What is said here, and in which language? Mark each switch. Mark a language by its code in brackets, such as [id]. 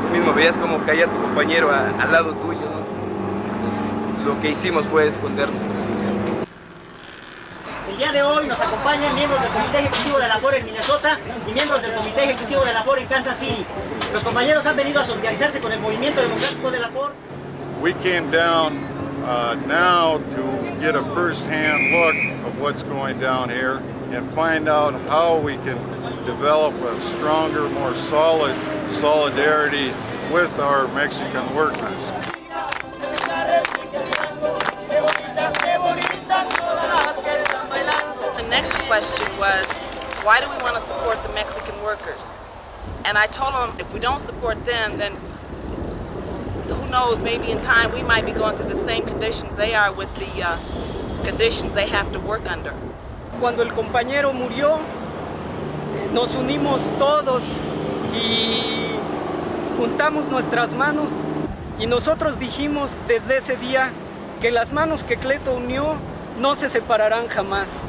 [es] tú mismo veías como caía tu compañero al lado tuyo, ¿no? Pues lo que hicimos fue escondernos. El día de hoy nos acompañan miembros del Comité Ejecutivo de Labor en Minnesota y miembros del Comité Ejecutivo de Labor en Kansas City. Los compañeros han venido a solidarizarse con el Movimiento Democrático de Labor. [en] We came down now to get a first-hand look of what's going down here and find out how we can develop a stronger, more solid solidarity with our Mexican workers. The next question was, why do we want to support the Mexican workers? And I told them, if we don't support them, then who knows, maybe in time we might be going through the same conditions they are with the conditions they have to work under. [es] Cuando el compañero murió, nos unimos todos y juntamos nuestras manos y nosotros dijimos desde ese día que las manos que Cleto unió no se separarán jamás.